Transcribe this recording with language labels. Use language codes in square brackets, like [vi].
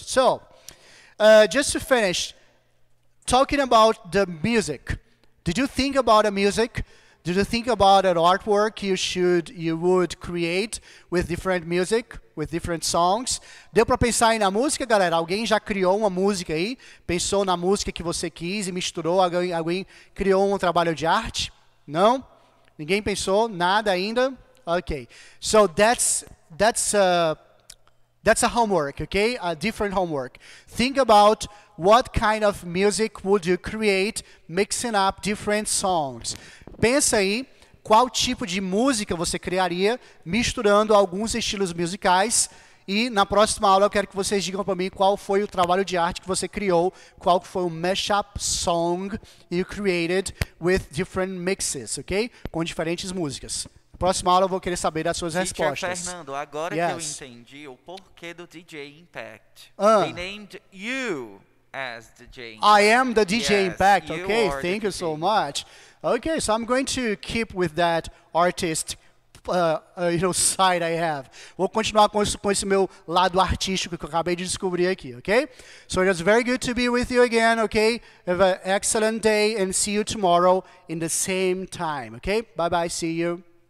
[en] So, just to finish, talking about the music. Did you think about the music? Did you think about an artwork you would create with different music, with different songs? [pt] Deu para pensar aí na música, galera? Alguém já criou uma música aí? Pensou na música que você quis e misturou? Alguém criou um trabalho de arte? Não? Ninguém pensou? Nada ainda? Ok. [en] So that's a homework, okay? A different homework. Think about what kind of music would you create mixing up different songs. [pt] Pensa aí qual tipo de música você criaria misturando alguns estilos musicais. E na próxima aula eu quero que vocês digam para mim qual foi o trabalho de arte que você criou, qual foi o [en] mashup song you created with different mixes, [pt] ok? Com diferentes músicas. Na próxima aula eu vou querer saber das suas respostas. Fernando, agora yes. Que eu entendi o porquê do DJ Impact. [en] They named you as DJ Impact. I am the DJ Impact, ok? Thank you so much. Okay, so I'm going to keep with that artist, side I have. [pt] Vou continuar com esse meu lado artístico que eu acabei de descobrir aqui, okay? [en] So it was very good to be with you again, okay? Have an excellent day and see you tomorrow in the same time, okay? Bye-bye, see you.